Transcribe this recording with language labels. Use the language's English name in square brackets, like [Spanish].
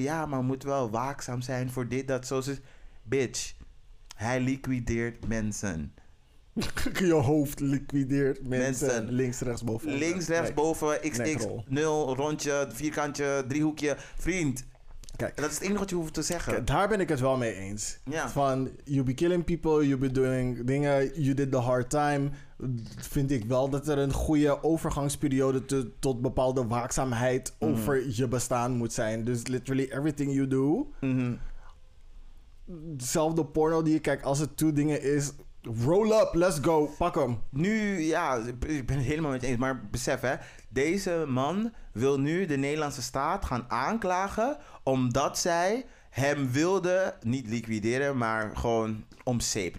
[Dutch] Ja, maar we moeten wel waakzaam zijn voor dit, dat, zo. Bitch, hij liquideert mensen. Je hoofd liquideert mensen. Links, rechts, boven. Links, rechts, boven. XX, nul, rondje, vierkantje, driehoekje. Vriend. Kijk, dat is het enige wat je hoeft te zeggen. Kijk, daar ben ik het wel mee eens. Ja. [English] Van, you be killing people, you be doing dingen, you did the hard time. [Dutch] Vind ik wel dat er een goede overgangsperiode tot bepaalde waakzaamheid over je bestaan moet zijn. [English] Dus literally everything you do. Mm-hmm. [Dutch] Hetzelfde porno die je kijkt als het twee dingen is. [English] Roll up, let's go, [Dutch] pak hem. Nu, ja, ik ben het helemaal met je eens. Maar besef hè, deze man wil nu de Nederlandse staat gaan aanklagen omdat zij hem wilde niet liquideren, maar gewoon omzeep.